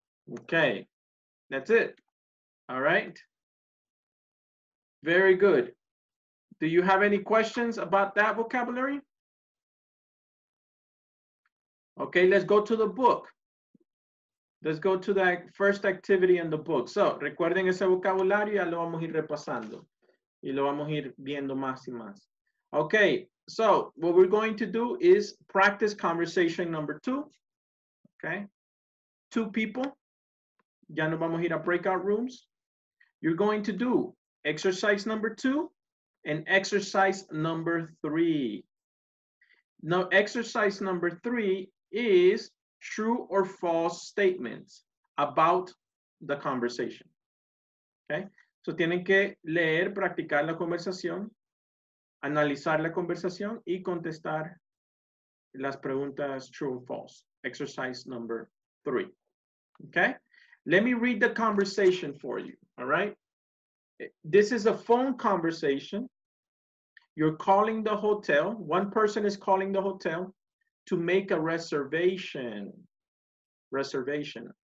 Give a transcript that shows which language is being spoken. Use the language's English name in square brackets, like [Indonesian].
[English] Okay, that's it. All right. Very good. Do you have any questions about that vocabulary? Okay, let's go to the book. Let's go to that first activity in the book. [Spanish] So, recuerden ese vocabulario y ya lo vamos a ir repasando. Y lo vamos a ir viendo más y más. [English] Okay, so what we're going to do is practice conversation number two. Okay, two people. [Spanish] Ya nos vamos a ir a breakout rooms. [English] You're going to do exercise number two and exercise number three. Now, exercise number three is true or false statements about the conversation. [Spanish] Okay, so tienen que leer, practicar la conversación, analizar la conversación y contestar las preguntas [English] true or false. Exercise number three. Okay, let me read the conversation for you. All right, this is a phone conversation. You're calling the hotel, one person is calling the hotel to make a reservation. Reservation.